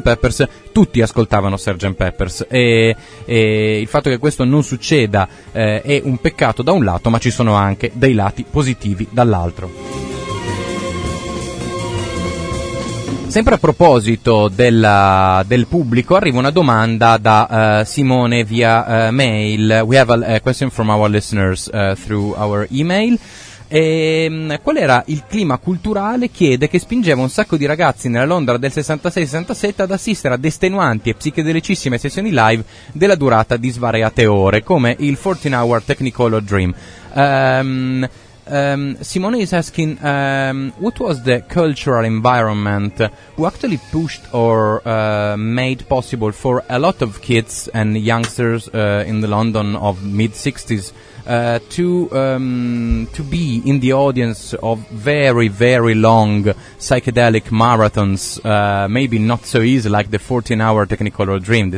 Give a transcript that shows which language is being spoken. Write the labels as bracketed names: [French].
[Italian] Peppers, tutti ascoltavano Sgt. Peppers, e il fatto che questo non succeda è un peccato da un lato, ma ci sono anche dei lati positivi dall'altro. Sempre a proposito del pubblico, arriva una domanda da Simone via mail. [English] We have a question from our listeners through our email. [Italian] Qual era il clima culturale, chiede, che spingeva un sacco di ragazzi nella Londra del 66-67 ad assistere ad estenuanti e psichedelicissime sessioni live della durata di svariate ore, come il 14-hour Technicolor Dream? [English] Simone is asking, what was the cultural environment who actually pushed or made possible for a lot of kids and youngsters in the London of mid-60s to be in the audience of very, very long psychedelic marathons, maybe not so easy like the 14-hour Technicolor Dream.